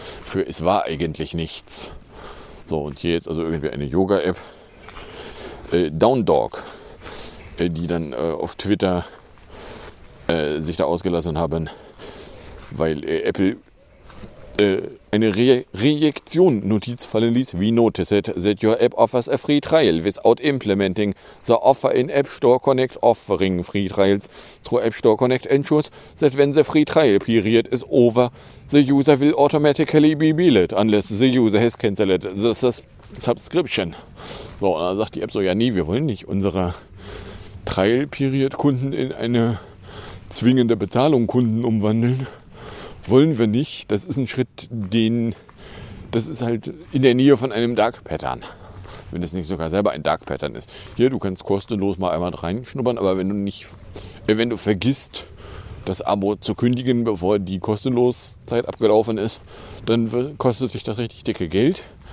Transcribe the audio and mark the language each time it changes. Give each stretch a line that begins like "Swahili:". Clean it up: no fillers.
German: Für es war eigentlich nichts. So, und hier jetzt also irgendwie eine Yoga-App. Down Dog, die dann auf Twitter sich da ausgelassen haben, weil Apple eine Rejektion-Notiz fallen ließ.
English: We notice it that your app offers a free trial without implementing the offer in App Store Connect offering free trials through App Store Connect ensures that when the free trial period is over, the user will automatically be billed unless the user has cancelled the subscription.
German: So, und dann sagt die App so, ja nee, wir wollen nicht unsere Trial Period Kunden in eine zwingende Bezahlung Kunden umwandeln. Wollen wir nicht. Das ist ein Schritt, das ist halt in der Nähe von einem Dark Pattern. Wenn das nicht sogar selber ein Dark Pattern ist. Hier, du kannst kostenlos mal einmal reinschnuppern, aber wenn du vergisst, das Abo zu kündigen, bevor die Kostenloszeit abgelaufen ist, dann kostet sich das richtig dicke Geld.